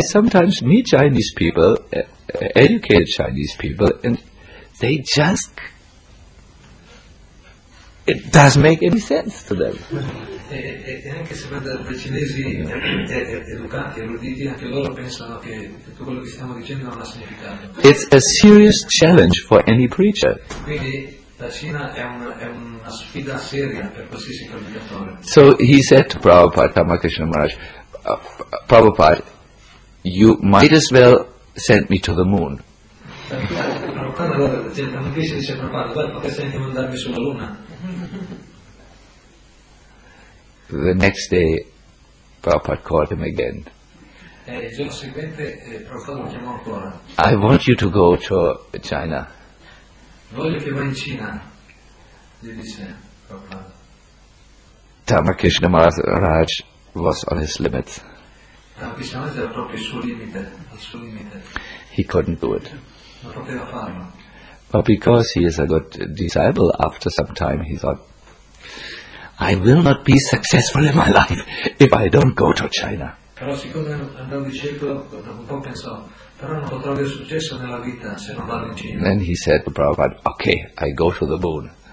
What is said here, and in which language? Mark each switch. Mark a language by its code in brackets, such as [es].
[en] sometimes meet Chinese people, educated Chinese people, and they just, it doesn't make any sense to them. [it] E anche se vedete i cinesi educati, eruditi, anche loro pensano che tutto quello che stiamo dicendo non ha significato. [en] It's a serious challenge for any preacher. [it] La Cina è una sfida seria per qualsiasi predicatore. [en] So he said to Prabhupada, Tamakrishna Maharaj, Prabhupada, you might as well send me to the moon. The next day, Prabhupada called him again. I want you to go to China. [it] Voglio che vai in Cina, gli disse Prabhupada. [en] Tamakrishna Maharaj was on his limits. [it] Tamakrishna Maharaj era proprio il suo limite. [en] He couldn't do it. [it] Non poteva farlo. [en] But because he is a good disciple, after some time he thought, I will not be successful in my life if I don't go to China. [it] Però siccome andavo di cieco, dopo un po' pensò, però non potrò avere successo nella vita se non vado in Cina. [en] Then he said to Prabhupada, okay, I go to the moon.